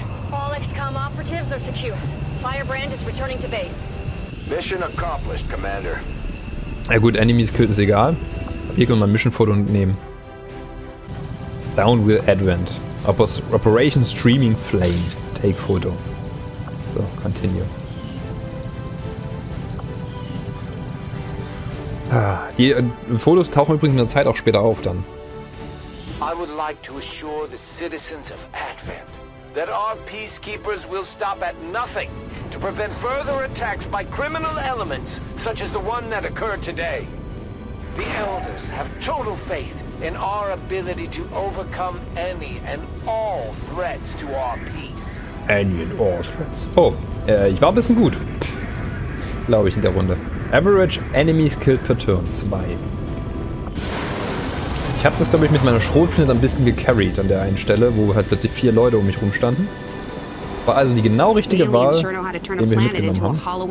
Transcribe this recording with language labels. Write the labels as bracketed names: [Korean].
[English] All XCOM operatives are secure. Firebrand is returning to base. Mission accomplished, Commander. [German] Ja gut, Enemies killt ist egal. Hier können wir Mission Foto nehmen. [English] Down with Advent. Operation Streaming Flame. Take Foto. So, continue. [German] Die Fotos tauchen übrigens in der Zeit auch später auf dann. [English] I would like to assure the citizens of Advent that our peacekeepers will stop at nothing to prevent further attacks by criminal elements such as the one that occurred today. The elders have total faith in our ability to overcome any and all threats to our peace. Any and all threats. [German] Oh, ich war ein bisschen gut. Glaube ich in der Runde. [English] Average enemies killed per turn 2. [German] Ich habe das, glaube ich, mit meiner Schrotflinte ein bisschen gecarried an der einen Stelle, wo halt plötzlich vier Leute um mich rumstanden. War also die genau richtige Wahl, den wir mitgenommen haben.